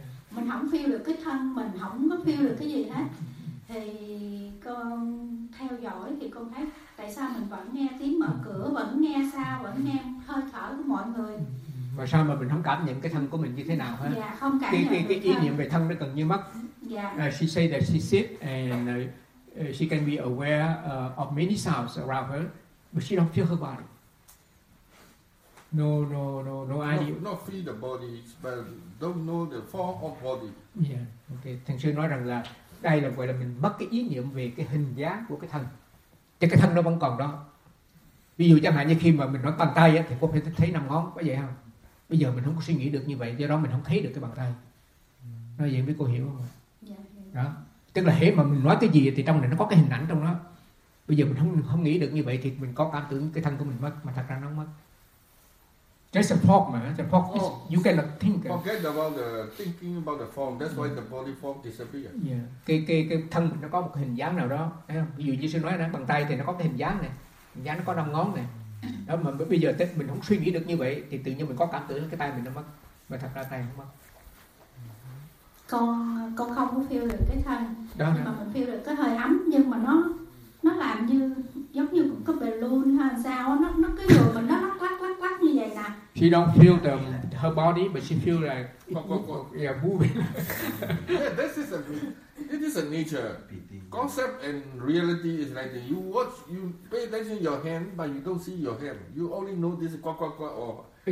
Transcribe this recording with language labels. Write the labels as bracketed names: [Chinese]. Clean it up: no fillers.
[Vietnamese] Mình không feel được cái thân, mình không có feel được cái gì hết. Thì con theo dõi thì con thấy tại sao mình vẫn nghe tiếng mở cửa, vẫn nghe sao, vẫn nghe hơi thở của mọi người. Mà sao mà mình không cảm nhận cái thân của mình như thế nào hết? Dạ, không cảm nhận được. Cái ý niệm về thân nó gần như mất. Dạ. [English] She say that she sit and she can be aware of many sounds around her, but she don't feel her body. No idea. Not feel the body, but don't know the form of body. Yeah, okay. [Vietnamese] Thành sư nói rằng là đây là gọi là mình mất cái ý niệm về cái hình dáng của cái thân. Chứ cái thân nó vẫn còn đó. Ví dụ chẳng hạn như khi mà mình nói bàn tay á, thì có thể thấy năm ngón, có vậy không? Bây giờ mình không có suy nghĩ được như vậy, do đó mình không thấy được cái bàn tay. Nói vậy mới cô hiểu không? Dạ, hiểu. Đó. Tức là hễ mà mình nói cái gì thì trong này nó có cái hình ảnh trong đó. Bây giờ mình không nghĩ được như vậy thì mình có cảm tưởng cái thân của mình mất, mà thật ra nó không mất. [English] Just a fog mà, just a fog. You cannot think. Forget about the thinking about the form. That's why the body form disappears. Yeah. [Vietnamese] Cái thân mình nó có một hình dáng nào đó. Ví dụ như sư nói là bàn tay thì nó có cái hình dáng này. Hình dáng nó có 5 ngón này. Đó, mà bây giờ mình không suy nghĩ được như vậy thì tự nhiên mình có cảm tưởng cái tay mình nó mất. Mà thật ra tay không mất. Con không có feel được cái thân đó, nhưng mà mình feel được cái hơi ấm, nhưng mà nó làm như giống như cái balloon hay sao, nó cái người mình nó lắc như vậy nè. [English] She don't feel the her body but she feel like yeah, moving. Yeah, this is a nature concept and reality is like that. You watch, you pay attention to your hand but you don't see your hand, you only know this quack quack quack or